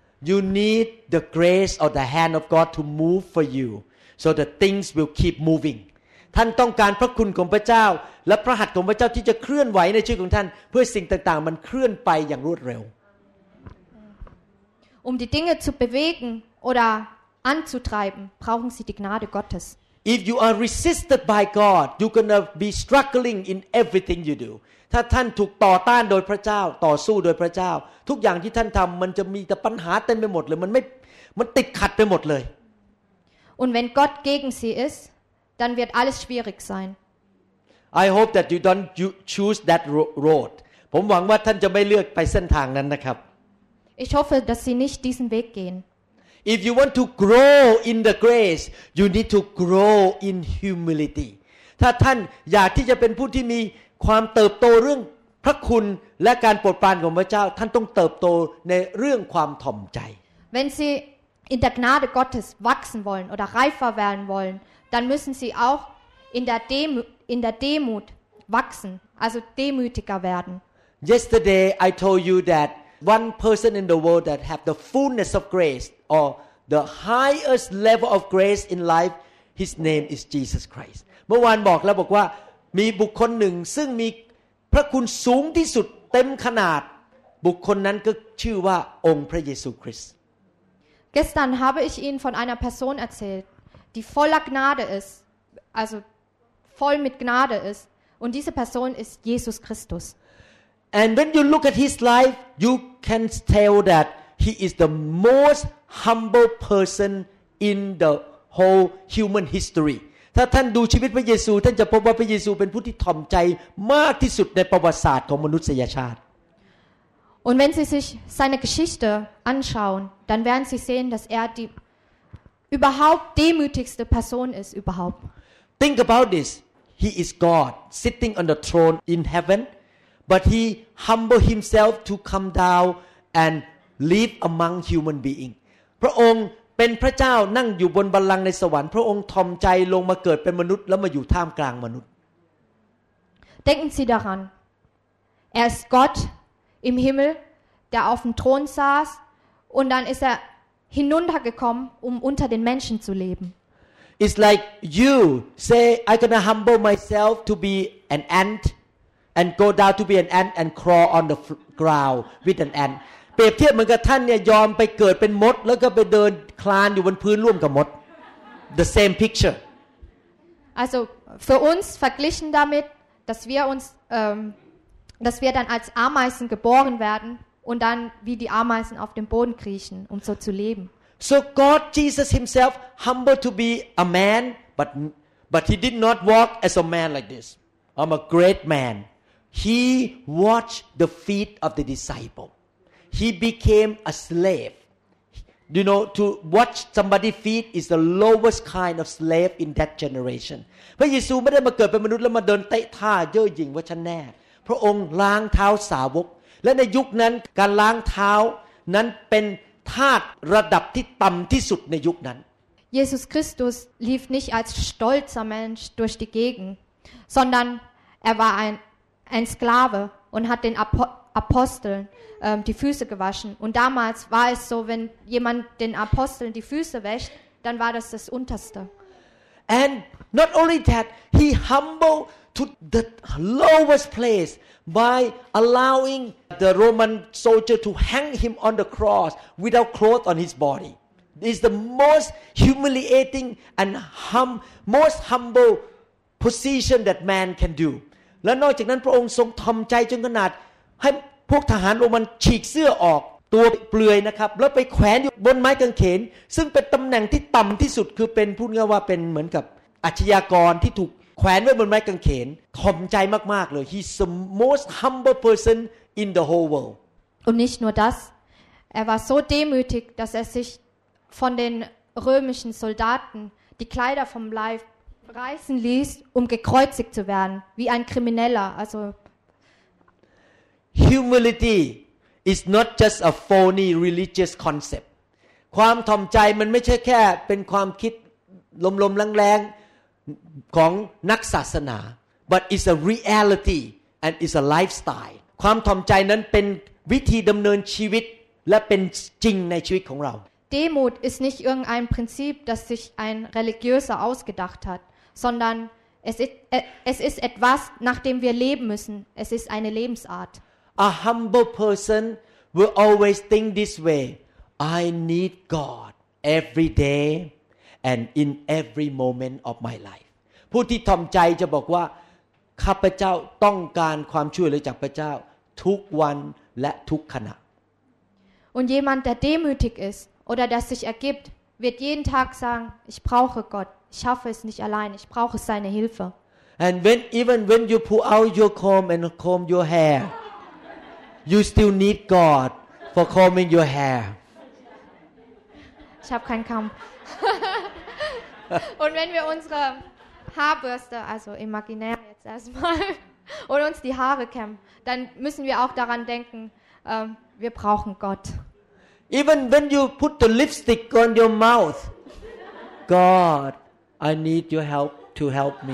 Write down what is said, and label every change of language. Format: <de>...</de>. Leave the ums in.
<en>you need the grace of the hand of God to move for you so the things will keep moving</en> <th>ท่านต้องการพระคุณของพระเจ้า และพระหัตถ์ของพระเจ้าที่จะเคลื่อนไหวในชีวิตของท่าน เพื่อสิ่งต่าง ๆ มันเคลื่อนไปอย่างรวดเร็ว</th> <de>um die Dinge zu bewegen oder anzutreiben brauchen Sie die Gnade Gottes</de> <en>if you are resisted by God you're gonna be struggling in everything you do</en> <th>ถ้าท่านถูกต่อต้านโดยพระเจ้าต่อสู้โดยพระเจ้า ทุกอย่างที่ท่านทํามันจะมีแต่ปัญหาเต็มไปหมดเลย มันไม่มันติดขัดไปหมดเลย</th> <de>Und wenn Gott gegen sie ist, dann wird alles schwierig sein.</de> <en>I hope that you don't choose that road.</en> <th>ผมหวังว่าท่านจะไม่เลือกไปเส้นทางนั้นนะครับ</th> <de>Ich hoffe, dass sie nicht diesen Weg gehen.</de> <en>If you want to grow in the grace, you need to grow in humility.</en> <th>ถ้าท่านอยากที่จะเป็นผู้ที่มีความเติบโตเรื่องพระคุณและการโปรดปรานของพระเจ้าท่านต้องเติบโตในเรื่องความถ่อมใจ</th> <de>Wenn Sie in der Gnade Gottes wachsen wollen oder reifer werden wollen, dann müssen Sie auch in der Dem in der Demut wachsen, also demütiger werden.</de> <en>Yesterday I told you that one person in the world that have the fullness of grace or the highest level of grace in life, his name is Jesus Christ.</en> <th>เมื่อวานบอกแล้วบอกว่ามีบุคคลหนึ่งซึ่งมีพระคุณสูงที่สุดเต็มขนาด บุคคลนั้นก็ชื่อว่าองค์พระเยซูคริสต์</th> <de>gestern habe ich Ihnen von einer Person erzählt die voller Gnade ist also voll mit Gnade ist und diese Person ist Jesus Christus</de> <en>and when you look at his life you can tell that he is the most humble person in the whole human history</en> <th>ถ้าท่านดูชีวิตพระเยซู ท่านจะพบว่าพระเยซู เป็นผู้ที่ถ่อมใจมากที่สุดในประวัติศาสตร์ของมนุษยชาติ</th> <de>Und wenn Sie sich seine Geschichte anschauen, dann werden Sie sehen, dass er die überhaupt demütigste Person ist überhaupt.</de> <en>Think about this. He is God sitting on the throne in heaven, but he humble himself to come down and live among human beings.</en> <th>พระองค์เป็นพระเจ้านั่งอยู่บนบัลลังก์ในสวรรค์พระองค์ทอมใจลงมาเกิดเป็นมนุษย์ แล้วมาอยู่ท่ามกลางมนุษย์</th> <de>Denken Sie daran er ist Gott im Himmel der auf dem Thron saß und dann ist er hinuntergekommen um unter den Menschen zu leben</de> <en>It's like you say I gonna humble myself to be an ant and go down to be an ant and crawl on the ground with an ant</en> <th>เปรียบเทียบเหมือนกับท่านเนี่ยยอมไปเกิดเป็นมด แล้วก็ไปเดินคลานอยู่บนพื้นร่วมกับมด</th> <en>the same picture</en> <de>also für uns verglichen damit dass wir uns ä m dass wir dann als Ameisen geboren werden und dann wie die Ameisen auf dem Boden kriechen um so zu leben</de> <en>so God Jesus himself humble to be a man but but he did not walk as a man like this I'm a great man he watched the feet of the disciple he became a slave you know to watch somebody feed is the lowest kind of slave in that generation</en> <th>พระเยซูไม่ได้มาเกิดเป็นมนุษย์แล้วมาเดินเตะท่าเย่อหยิ่งว่าฉันแน่ พระองค์ล้างเท้าสาวกและในยุคนั้นการล้างเท้านั้นเป็นทาสระดับที่ต่ําที่สุดในยุคนั้น</th> <de>Jesus Christus lief nicht als stolzer Mensch durch die Gegend, sondern er war ein, ein Sklave und hat den Apostel Aposteln um, die Füße gewaschen. Und damals war es so, wenn jemand den Aposteln die Füße wäscht, dann war das das Unterste.</de> <en>And not only that, he humbled to the lowest place by allowing the Roman soldier to hang him on the cross without clothes on his body. Is the most humiliating and hum, most humble position that man can do.</en> <th>และนอกจากนั้นพระองค์ทรงทำใจจนขนาดให้พวกทหารโรมันฉีกเสื้อออกตัวเปลือยนะครับแล้วไปแขวนอยู่บนไม้กางเขนซึ่งเป็นตําแหน่งที่ต่ําที่สุดคือเป็นพูดง่ายว่าเป็นเหมือนกับอาชญากรที่ถูกแขวนไว้บนไม้กางเขนถ่อมใจมากๆ เลย</th> <en>he's the most humble person in the whole world</en> <de>und nicht nur das er war so demütig dass er sich von den römischen soldaten die kleider vom leib reißen ließ um gekreuzigt zu werden wie ein krimineller also</de> <en>humility is not just a phony religious concept</en> <th>ความถ่อมใจมันไม่ใช่แค่เป็นความคิดลมๆแรงๆของนักศาสนา</th> <en>but it's a reality and it's a lifestyle</en> <th>ความถ่อมใจนั้นเป็นวิธีดำเนินชีวิตและเป็นจริงในชีวิตของเรา</th> <de>Demut ist nicht irgendein Prinzip, das sich ein Religiöser ausgedacht hat, sondern es ist, es ist etwas, nach dem wir leben müssen. Es ist eine Lebensart.</de> <en>a humble person will always think this way I need God every day and in every moment of my life</en> <th>ผู้ที่ทอมใจจะบอกว่าข้าพเจ้าต้องการความช่วยเหลือจากพระเจ้า ทุกวันและทุกขณะ</th> <de>Und jemand, der demütig ist oder das sich ergibt, wird jeden Tag sagen, ich brauche Gott, ich schaffe es nicht allein, ich brauche seine Hilfe.</de> <en>And when, even when you pull out your comb and comb your hair, you still need God for combing your hair.</en> <de>Ich habe keinen Kamm. Und wenn wir unsere Haarbürste, also imaginär jetzt erstmal, und uns die Haare kämmen, dann müssen wir auch daran denken, wir brauchen Gott.</de> <en>Even when you put the lipstick on your mouth, God, I need your help to help me.</en>